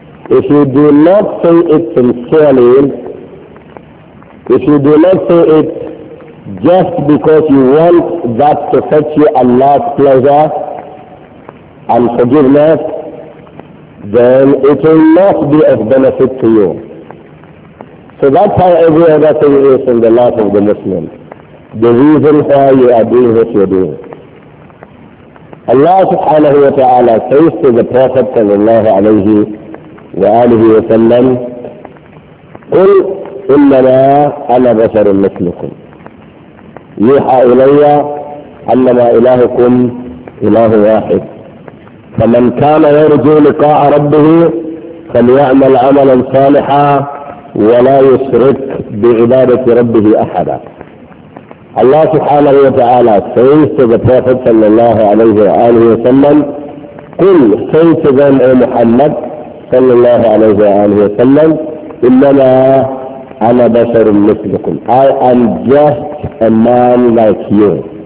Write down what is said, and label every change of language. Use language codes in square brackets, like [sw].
[en] If you do not say it sincerely, if you do not say it just because you want that to fetch you Allah's pleasure and forgiveness, then it will not be of benefit to you. So that's how every other thing is in the life of the Muslim. The reason why you are doing what you are doing. Allah subhanahu wa ta'ala says to the Prophet sallallahu alayhi wa alihi wa sallam, [ar] قُلْ إِنَّمَا أَنَا بَشَرٌ مِثْلُكُمْ يُوحَى إِلَيَّ أَنَّمَا إِلَهُكُمْ إِلَهُ وَاحِدٌ فَمَنْ كَانَ يَرْجُو لِقَاءَ رَبِّهِ فَلْيَعْمَلْ عَمَلًا صَالِحًا وَلَا يُشْرِكْ بِعِبَادَةِ رَبِّهِ أَحَدًا. [en] Allah subhanahu wa ta'ala says to the Prophet sallallahu alayhi wa alihi wa sallam, قُلْ say to them, O Muhammad sallallahu alayhi wa alihi wa sallam, [ar] إِنَّمَا أَنَا بَشَرٌ مِثْلُكُمْ, [en] I am just a man like you.